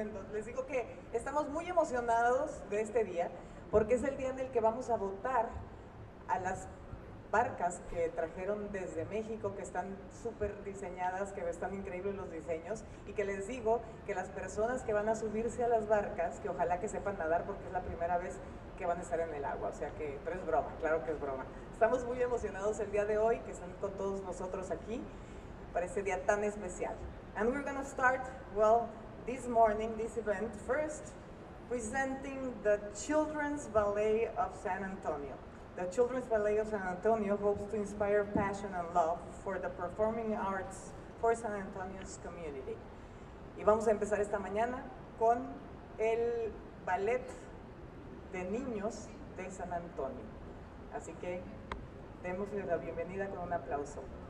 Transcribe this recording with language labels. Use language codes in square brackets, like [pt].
[es] Entonces, les digo que estamos muy emocionados de este día, porque es el día en el que vamos a votar a las barcas que trajeron desde México, que están súper diseñadas, que están increíbles los diseños, y que les digo que las personas que van a subirse a las barcas, que ojalá que sepan nadar, porque es la primera vez que van a estar en el agua, o sea que, pero es broma, claro que es broma. Estamos muy emocionados el día de hoy, que están con todos nosotros aquí, para este día tan especial. [en] And we're going to start, well, this morning, this event, first presenting the Children's Ballet of San Antonio. The Children's Ballet of San Antonio hopes to inspire passion and love for the performing arts for San Antonio's community. [es] Y vamos a empezar esta mañana con el ballet de niños de San Antonio. Así que, démosle la bienvenida con un aplauso.